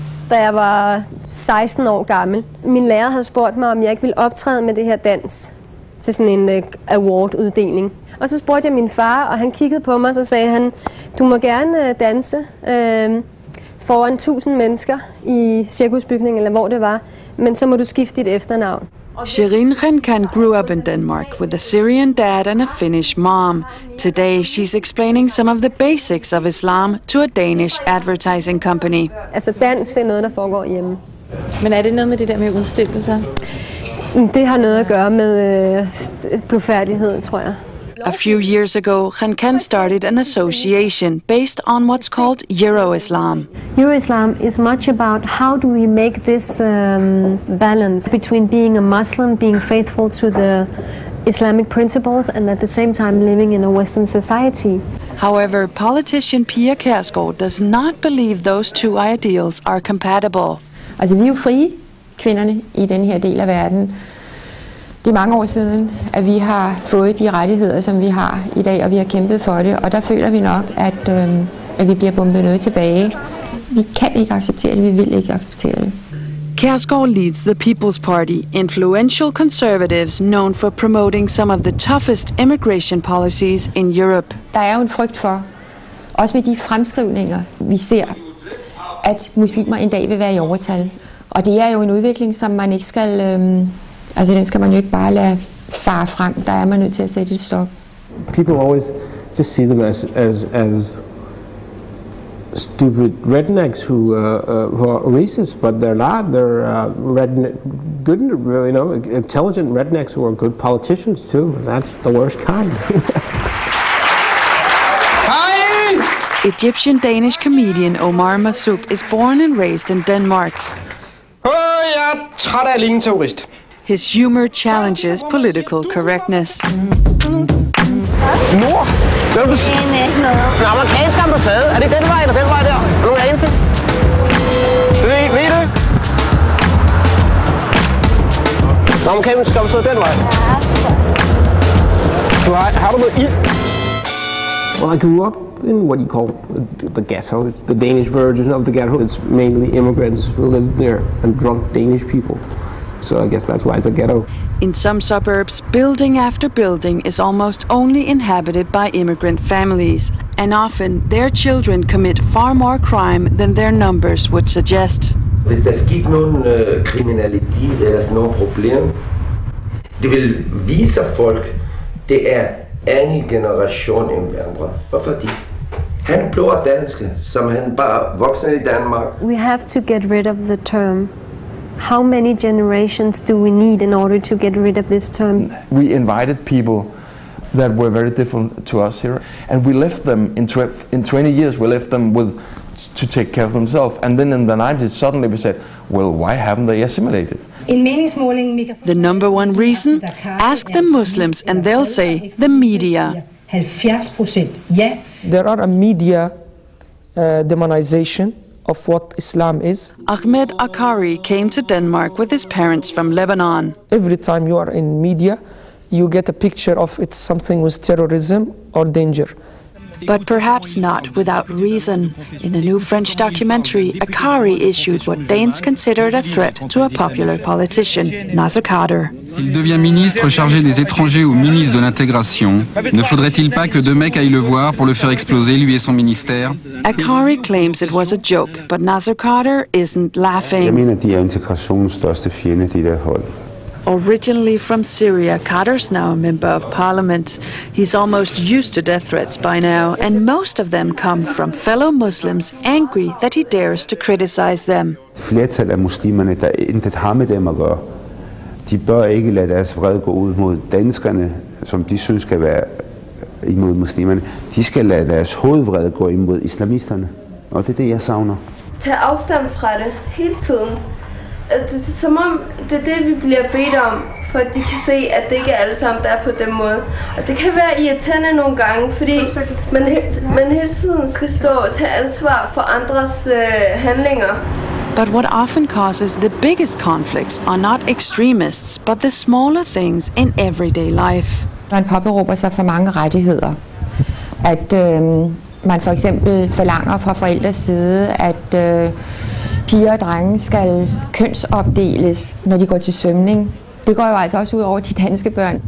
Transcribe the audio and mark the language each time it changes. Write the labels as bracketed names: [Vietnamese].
[Danish] Da jeg var 16 år gammel, min lærer havde spurgt mig, om jeg ikke ville optræde med det her dans til sådan en award-uddeling. Og så spurgte jeg min far, og han kiggede på mig, så sagde han, du må gerne danse foran 1000 mennesker i cirkusbygningen, eller hvor det var, men så må du skifte dit efternavn. [English] Shirin Khan grew up in Denmark with a Syrian dad and a Finnish mom. Today, she's explaining some of the basics of Islam to a Danish advertising company. [Danish] Altså dansk, det er noget, der foregår hjemme. Men er det noget med det der med udstillelser? Det har noget at gøre med blufærdighed, tror jeg. [English] A few years ago, Khan Khan started an association based on what's called Euro-Islam. Euro-Islam is much about how do we make this balance between being a Muslim, being faithful to the Islamic principles, and at the same time living in a Western society. However, politician Pia Kjærsgaard does not believe those two ideals are compatible. [Danish] Altså, vi er jo frie, kvinderne, i den her del af verden. Det er mange år siden, at vi har fået de rettigheder, som vi har i dag, og vi har kæmpet for det. Og der føler vi nok, at vi bliver bombet noget tilbage. Vi kan ikke acceptere det, vi vil ikke acceptere det. [English] Kjærsgaard leads the People's Party, influential conservatives known for promoting some of the toughest immigration policies in Europe. [Danish] Der er jo en frygt for, også med de fremskrivninger, vi ser, at muslimer en dag vil være i overtal. Og det er jo en udvikling, som man ikke skal... Altså, den skal man jo ikke bare lade fare frem. Der er man nødt til at sætte et stop. [English] People always just see them as stupid rednecks who are racist, but they're not. They're redneck, good, you know, intelligent rednecks who are good politicians too. That's the worst kind. Egyptian Danish comedian Omar Masuk is born and raised in Denmark. [Danish] Jeg er træt af at ligne terrorist. [English] His humor challenges political correctness. [Danish] Mor, hvad vil du sige? Ikke noget. Den amerikanske ambassade, er det den vej eller den vej der? Er du en anelse? Ved I det? Den amerikanske ambassade den vej. Du har, har du noget ild? [English] Well, I grew up in what you call the ghetto, the Danish version of the ghetto. It's mainly immigrants who lived there and drunk Danish people. So I guess that's why it's a ghetto. In some suburbs, building after building is almost only inhabited by immigrant families. And often, their children commit far more crime than their numbers would suggest. [Danish] Hvis der sker nogen kriminalitet, så er der nogen problem. Det vil vise folk, det er anden generation end hverandre. Hvorfor de? Han blev dansk, som han bare voksede i Danmark. [English] We have to get rid of the term. How many generations do we need in order to get rid of this term? We invited people that were very different to us here, and we left them in 20 years, we left them with to take care of themselves. And then in the 90s, suddenly we said, well, why haven't they assimilated? The number one reason? Ask the Muslims and they'll say the media. There are a media demonization of what Islam is. Ahmed Akari came to Denmark with his parents from Lebanon. Every time you are in media, you get a picture of it's something with terrorism or danger. But perhaps not without reason. In a new French documentary, Akari issued what Danes considered a threat to a popular politician, Nasser Kader. [French] S'il devient ministre chargé des étrangers ou ministre de l'intégration, ne faudrait-il pas que deux mecs aillent le voir pour le faire exploser, lui et son ministère? [English] Akari claims it was a joke, but Nasser Kader isn't laughing. [Danish] Jeg mener, de er integrationens største fjende, de der hold. [English] Originally from Syria, Kader's now a member of parliament. He's almost used to death threats by now, and most of them come from fellow Muslims angry that he dares to criticize them. [Danish] Flertal af muslimerne, der intet har med dem at gøre, de bør ikke lade deres vrede gå ud mod danskerne, som de synes skal være imod muslimerne. De skal lade deres hovedvrede gå imod islamisterne, og det er det, jeg savner. Tag afstand fra det hele tiden. Det er som om, det er det, vi bliver bedt om, for at de kan se, at det ikke er alle sammen, der er på den måde. Og det kan være irriterende nogle gange, fordi man hele tiden skal stå og tage ansvar for andres handlinger. [English] But what often causes the biggest conflicts are not extremists, but the smaller things in everyday life. [Danish] Man påberåber sig for mange rettigheder. At man for eksempel forlanger fra forældres side, at piger og drenge skal kønsopdeles, når de går til svømning. Det går jo altså også ud over de danske børn.